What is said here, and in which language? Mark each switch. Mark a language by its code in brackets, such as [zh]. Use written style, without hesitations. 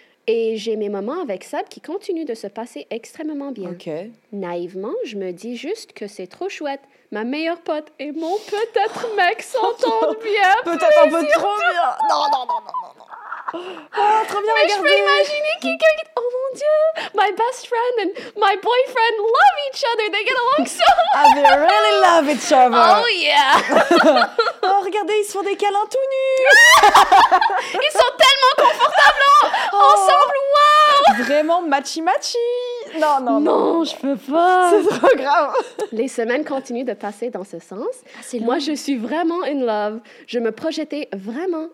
[fr] Et j'ai mes moments avec Seb qui continuent de se passer extrêmement bien. OK. Naïvement, je me dis juste que c'est trop chouette. Ma meilleure pote et mon peut-être mec s'entendent bien. Peut-être un peu trop bien. Non, non, non, non, non. Oh, trop bien, mais regardez. Je peux imaginer quelqu'un qui... Oh mon Dieu! [en] My best friend and my boyfriend love each other. They get along so... And they really love each other. Oh yeah! [fr] Oh, regardez, ils se font des câlins tout nus. Ils sont tellement confortables ensemble. Wow! Vraiment matchy-matchy. Non, je peux pas. C'est trop grave. Les semaines continuent de passer dans ce sens. Ah, c'est moi, je suis vraiment in love. Je me projetais vraiment.